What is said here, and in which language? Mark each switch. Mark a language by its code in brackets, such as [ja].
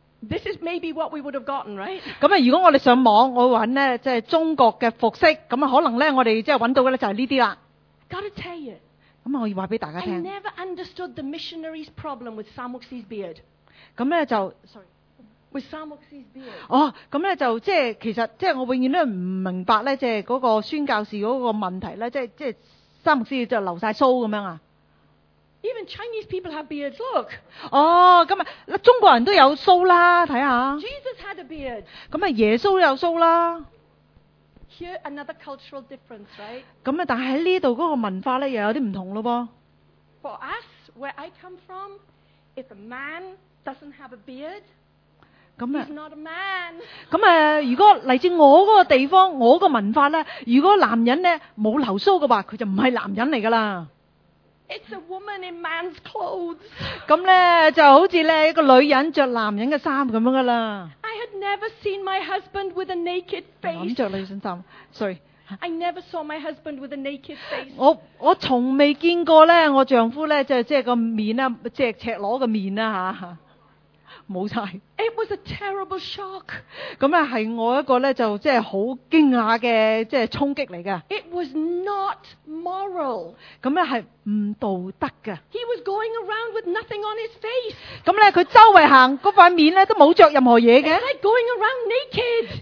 [en] ，this is maybe what we would have gotten， right？ [yue] 咁如果我哋上网，我揾咧即系中国嘅服饰，咁可能咧我哋即系揾到嘅咧就系呢啲啦。 [en] Gotta tell you。 [yue] 咁我要话俾大家听。 [en] I never understood the missionary's problem with Samuksi's beard。 [yue] 咁咧就 [en] ，sorry，with Samuksi's beard。 [yue] 哦，咁咧就即系其实即系我永远都唔明白咧，即系嗰个宣教士嗰个问题咧，即系沙牧师就留晒须咁样啊。 [en] Even Chinese people have beards. Look。 [yue] 哦，咁啊，中国人都有须啦，睇下。 [en] Jesus had a beard。 [yue] 咁啊，耶稣有须啦。 [en] Here another cultural difference, right? [yue] 咁啊，但系喺呢度嗰个文化咧，又有啲唔同咯噃。 [en] For us, where I come from, if a man doesn't have a beard, he's not a man. [yue] 咁啊，如果嚟自我嗰个地方，我个文化咧，如果男人咧冇留须嘅话，佢就唔系男人嚟噶啦。 [en] It's a woman in man's clothes. [yue] 咁咧就好似咧一个女人着男人嘅衫咁样噶啦。 [en] I had never seen my husband with a naked face. [yue] 咁着女性衫 ，sorry. [en] I never saw my husband with a naked face. [yue] 我从未见过咧，我丈夫咧即系个面啦，即系赤裸嘅面啦吓，冇晒。 [en] It was a terrible shock. [yue] 咁咧系我一个咧就即系好惊讶嘅即系冲击嚟噶。 [en] It was not moral. [yue] 咁咧系唔道德噶。 [en] He was going around with nothing on his face. [yue] 咁咧佢周围行嗰块面咧都冇着任何嘢嘅。 [en] It's like going around naked.